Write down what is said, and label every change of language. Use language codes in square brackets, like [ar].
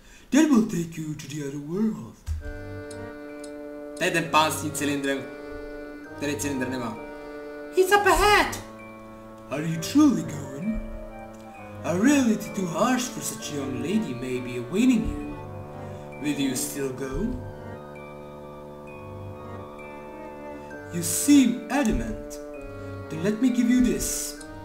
[en] That will take you to the other world. [cs] To je ten pán s tím cylindrem, který cylindr nemá. [en] He's up ahead! Are you truly going? A reality too harsh for such a young lady may be awaiting you. Will you still go? You seem adamant. Then let me give you this.